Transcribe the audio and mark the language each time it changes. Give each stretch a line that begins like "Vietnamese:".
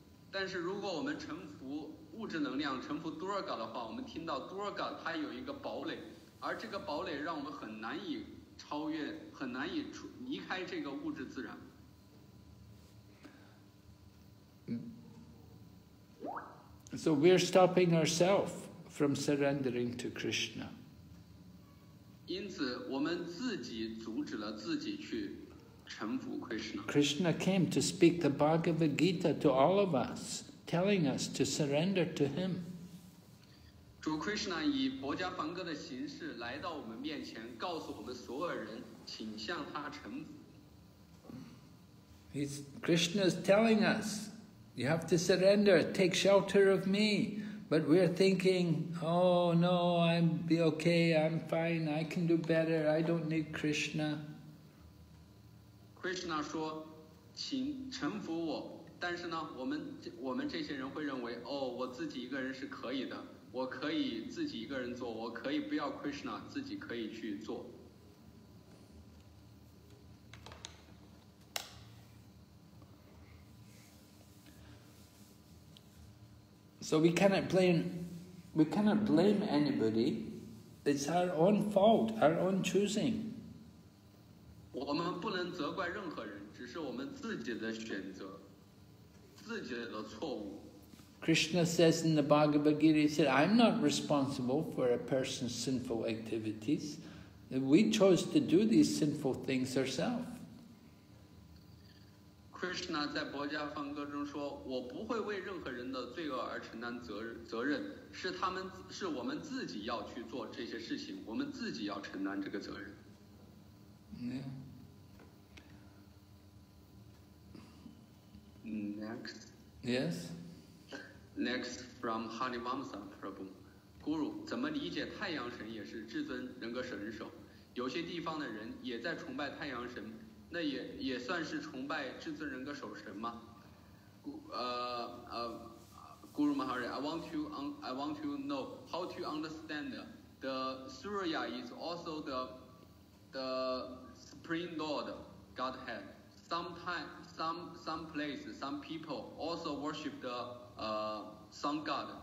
Chinese: 但是如果我们臣服物质能量，臣服 Durga 的话，我们听到 Durga 它有一个堡垒，而这个堡垒让我们很难以超越，很难以离开这个物质自然。
English: So we're stopping ourselves from surrendering to Krishna.
Chinese: 因此我们自己阻止了自己去臣服 Krishna.
English: Krishna came to speak the Bhagavad Gita to all of us, telling us to surrender to him.
Chinese: 主 Krishna 以薄伽梵歌的形式来到我们面前，告诉我们所有人，请向他臣服。
English: Krishna is telling us,You have to surrender, take shelter of me. But we're thinking, oh no, I'll be okay, I'm fine, I can do better, I don't need Krishna.
Chinese: Krishna 说，请臣服我。但是呢，我们这些人会认为，哦，我自己一个人是可以的，我可以自己一个人做，我可以不要 Krishna, 自己可以去做。
English: So we cannot blame anybody. It's our own fault, our own choosing.
Chinese: 我们不能责怪任何人，只是我们自己的选择，自己的错误。
English: Krishna says in the Bhagavad Gita, he said, I'm not responsible for a person's sinful activities. We chose to do these sinful things ourselves.
Chinese: Krishna 在薄伽梵歌中说，我不会为任何人的罪恶而承担责任，是我们自己要去做这些事情，我们自己要承担这个责任。
English: Next. Yes. Next from Harivamsa Prabhu.
Chinese: Guru, 怎么理解太阳神也是至尊人格神手？有些地方的人也在崇拜太阳神。那也算是崇拜至尊人格守神吗？
English: Guru Mahari, I want to know how to understand the Surya is also the Supreme Lord Godhead. Some place, some people also worship the Sun God.